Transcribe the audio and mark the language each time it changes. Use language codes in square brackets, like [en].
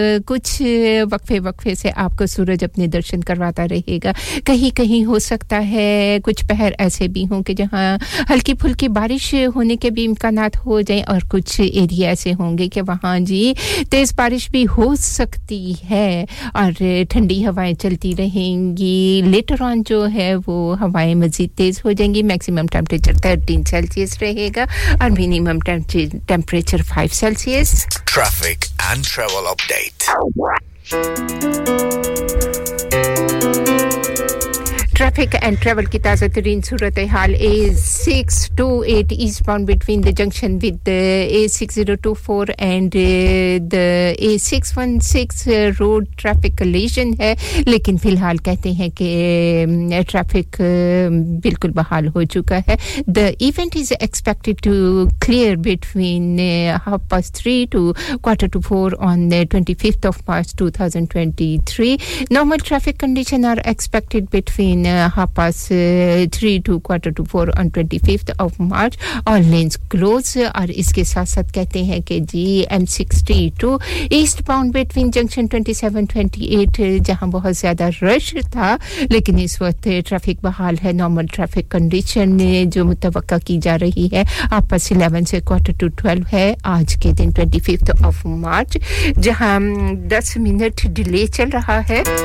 [hi] कुछ वक्फे वक्फे से आपको सूरज अपने दर्शन करवाता रहेगा कहीं कहीं हो सकता है कुछ पहर ऐसे भी हों कि जहां हल्की फुल्की बारिश होने के भी इम्कान हो जाए और कुछ एरिया ऐसे होंगे कि वहां जी तेज बारिश भी हो सकती है और ठंडी हवाएं चलती रहेंगी लेटर ऑन जो है वो हवाएं मजीद तेज हो जाएंगी मैक्सिमम टेंपरेचर 13 सेल्सियस रहेगा और minimum temperature 5 Celsius [en] traffic and travel update Traffic and travel [hi] ki taza tareen surat hal [en] A628 eastbound between the junction with the A6024 and the A616 road traffic collision [hi] hai lekin filhal kehte hain ki [en] traffic [hi] bilkul bahal ho chuka hai [en] the event is expected to clear between 3:30 to 3:45 on the 25th of March 2023 normal traffic condition are expected between half past 3 to quarter to 4 on 25th of March all lanes closed [hi] aur iske sath sath kehte hain ke ji [en] M62 eastbound between junction 27-28 [hi] jahan bahut zyada rush tha lekin is waqt traffic bahal hai [en] normal traffic condition [hi] jo mutawakka ki ja rahi hai [en] half past 11 se quarter to 12 hai [hi] aaj ke din [en] 25th of March [hi] jahan 10 minute delay chal raha hai